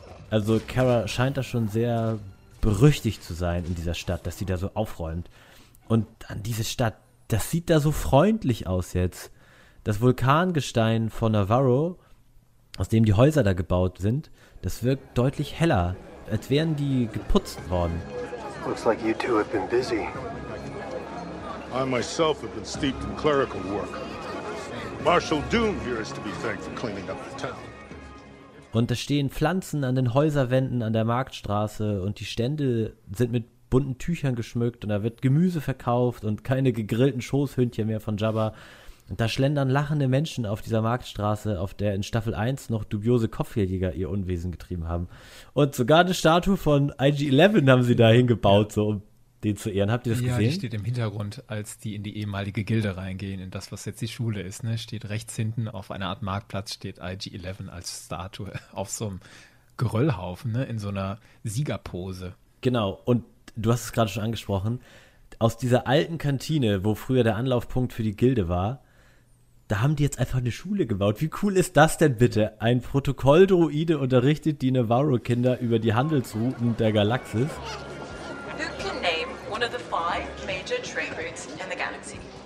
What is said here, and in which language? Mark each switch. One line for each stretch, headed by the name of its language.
German: Also Carol scheint da schon sehr berüchtigt zu sein in dieser Stadt, dass sie da so aufräumt. Und an diese Stadt, das sieht da so freundlich aus jetzt. Das Vulkangestein von Navarro, aus dem die Häuser da gebaut sind, das wirkt deutlich heller, als wären die geputzt worden.
English: Looks like you two have been busy. I myself have been steeped in clerical work. Marshal Doom here is to be thanked for cleaning up the town.
German: Und da stehen Pflanzen an den Häuserwänden an der Marktstraße und die Stände sind mit bunten Tüchern geschmückt und da wird Gemüse verkauft und keine gegrillten Schoßhündchen mehr von Jabba. Und da schlendern lachende Menschen auf dieser Marktstraße, auf der in Staffel 1 noch dubiose Kopfgeldjäger ihr Unwesen getrieben haben. Und sogar eine Statue von IG-11 haben sie da hingebaut, so um den zu ehren. Habt ihr das gesehen? Ja, die steht im Hintergrund, als die in die ehemalige Gilde reingehen, in das, was jetzt die Schule ist. Ne? Steht rechts hinten auf einer Art Marktplatz, steht IG-11 als Statue auf so einem Geröllhaufen, ne? In so einer Siegerpose. Genau, und du hast es gerade schon angesprochen, aus dieser alten Kantine, wo früher der Anlaufpunkt für die Gilde war, da haben die jetzt einfach eine Schule gebaut. Wie cool ist das denn bitte? Ein Protokolldroide unterrichtet die Navarro-Kinder über die Handelsrouten der Galaxis.
English: Who can name one of the five major trade routes in the galaxy?